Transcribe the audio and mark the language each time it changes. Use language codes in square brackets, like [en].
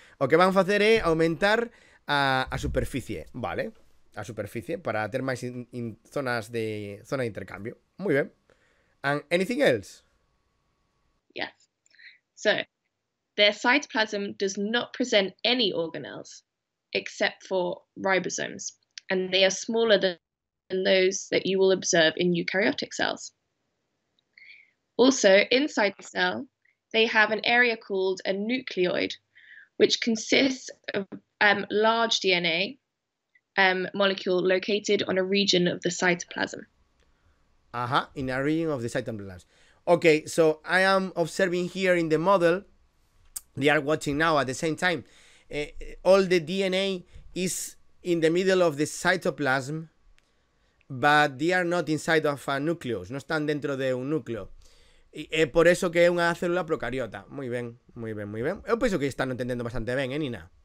[es] O que van a hacer es aumentar a superficie, ¿vale? A superficie para tener más zona de intercambio. Muy bien. [en] And anything else? So, their cytoplasm does not present any organelles, except for ribosomes, and they are smaller than those that you will observe in eukaryotic cells. Also, inside the cell, they have an area called a nucleoid, which consists of large DNA molecule located on a region of the cytoplasm. In a region of the cytoplasm. Okay, so I am observing here in the model, they are watching now at the same time, all the DNA is in the middle of the cytoplasm, but they are not inside of a nucleus, [es] no están dentro de un núcleo. Por eso que es una célula procariota. Muy bien. Yo pienso que están entendiendo bastante bien, Nina.